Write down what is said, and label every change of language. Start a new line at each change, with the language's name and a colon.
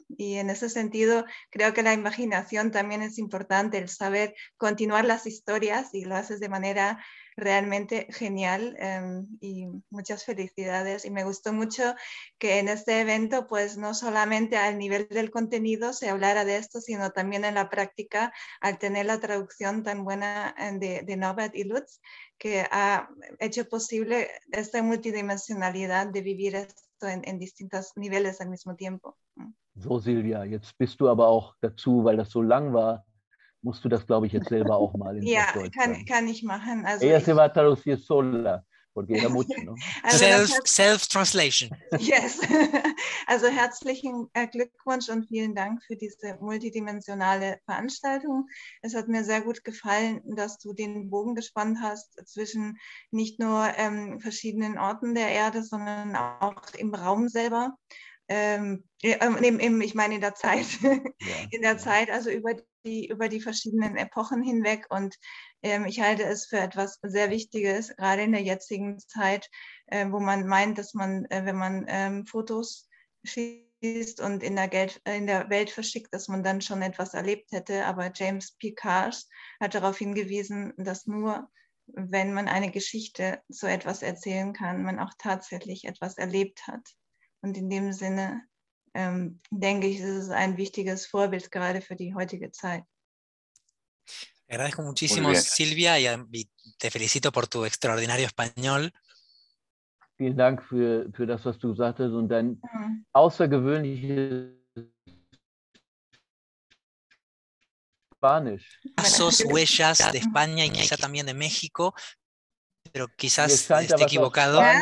Spanish: Y en ese sentido, creo que la imaginación también es importante, el saber continuar las historias, y lo haces de manera realmente genial, y muchas felicidades. Y me gustó mucho que en este evento, pues no solamente al nivel del contenido se hablara de esto, sino también en la práctica, al tener la traducción tan buena de Novad y Lutz, que ha hecho posible esta multidimensionalidad de vivir esto en distintos niveles al mismo tiempo.
German: So, Silvia, jetzt bist du aber auch dazu, weil das so lang war. Musst du das, glaube ich, jetzt selber auch mal in Deutsch sagen. Ja, kann ich machen.
Spanish: Also ella se va a traducir sola, porque era mucho, ¿no?
English: Self-translation. Yes.
German: Also herzlichen Glückwunsch und vielen Dank für diese multidimensionale Veranstaltung. Es hat mir sehr gut gefallen, dass du den Bogen gespannt hast zwischen nicht nur verschiedenen Orten der Erde, sondern auch im Raum selber. Ich meine in der Zeit, ja, in der Zeit, also über die verschiedenen Epochen hinweg, und ich halte es für etwas sehr Wichtiges, gerade in der jetzigen Zeit, wo man meint, dass man, wenn man Fotos schießt und in der Welt verschickt, dass man dann schon etwas erlebt hätte, aber James P. Cars hat darauf hingewiesen, dass nur wenn man eine Geschichte so etwas erzählen kann, man auch tatsächlich etwas erlebt hat. Und in dem Sinne, denke ich, ist es ein wichtiges Vorbild gerade für die heutige Zeit.
Spanish: Agradezco muchísimo, Silvia, y te felicito por tu extraordinario español.
German: Vielen Dank für das, was du gesagt hast, und dein außergewöhnliches Spanisch.
Spanish: Pasos, huellas de España y quizá también de México. Pero quizás esté equivocado.